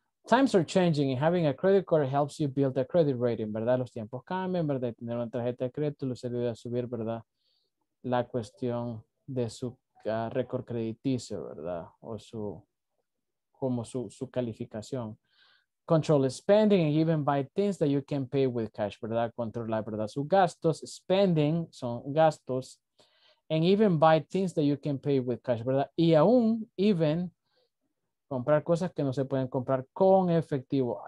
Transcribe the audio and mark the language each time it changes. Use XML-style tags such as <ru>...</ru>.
<en>Times are changing and having a credit card helps you build a credit rating, ¿verdad?</en> <es>Los tiempos cambian, ¿verdad? Y tener una tarjeta de crédito les ayuda a subir, ¿verdad? La cuestión de su récord crediticio, ¿verdad? O su, como su calificación.</es> <en>Control spending and even buy things that you can pay with cash, ¿verdad?</en> <es>Controlar, ¿verdad? Sus gastos, spending son gastos.</es> <en>And even buy things that you can pay with cash, ¿verdad?</en> <es>Y aún, even... comprar cosas que no se pueden comprar con efectivo.</es>